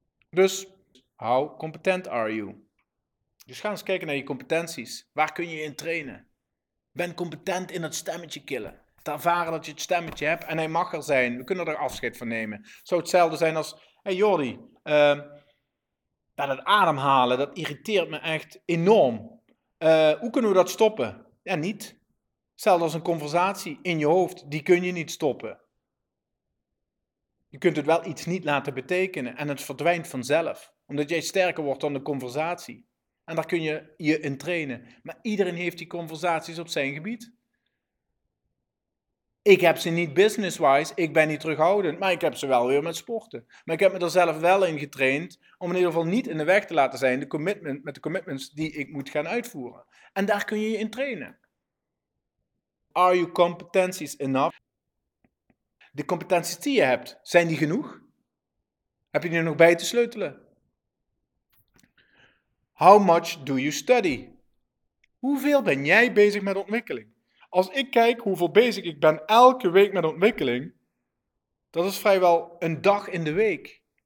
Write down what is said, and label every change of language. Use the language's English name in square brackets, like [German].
[English] Dus, how competent are you? [Dutch] Dus ga eens kijken naar je competenties. Waar kun je in trainen? Ben competent in het stemmetje killen. Te ervaren dat je het stemmetje hebt en hij mag er zijn. We kunnen er afscheid van nemen. Het zou hetzelfde zijn als, hey Jordi, dat ademhalen, dat irriteert me echt enorm. Hoe kunnen we dat stoppen? Ja, niet. Hetzelfde als een conversatie in je hoofd, die kun je niet stoppen. Je kunt het wel iets niet laten betekenen en het verdwijnt vanzelf, omdat jij sterker wordt dan de conversatie. En daar kun je je in trainen. Maar iedereen heeft die conversaties op zijn gebied. Ik heb ze niet business-wise, ik ben niet terughoudend, maar ik heb ze wel weer met sporten. Maar ik heb me er zelf wel in getraind om in ieder geval niet in de weg te laten zijn met de commitments die ik moet gaan uitvoeren. En daar kun je je in trainen. [English] Are your competencies enough? [Dutch] De competenties die je hebt, zijn die genoeg? Heb je die er nog bij te sleutelen? [English] How much do you study? [Dutch] Hoeveel ben jij bezig met ontwikkeling? Als ik kijk hoeveel bezig ik ben elke week met ontwikkeling, dat is vrijwel een dag in de week.